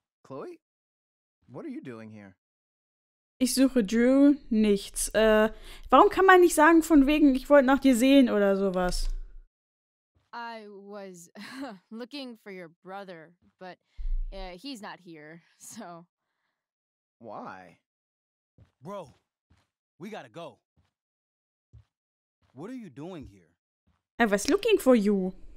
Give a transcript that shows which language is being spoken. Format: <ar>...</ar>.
<en>Chloe, what are you doing here?</en> <de>Ich suche Drew, nichts. Warum kann man nicht sagen, von wegen, ich wollte nach dir sehen oder sowas?</de> <en>I was looking for your brother, but he's not here, so. Why? Bro, we gotta go. What are you doing here? I was looking for you.</en>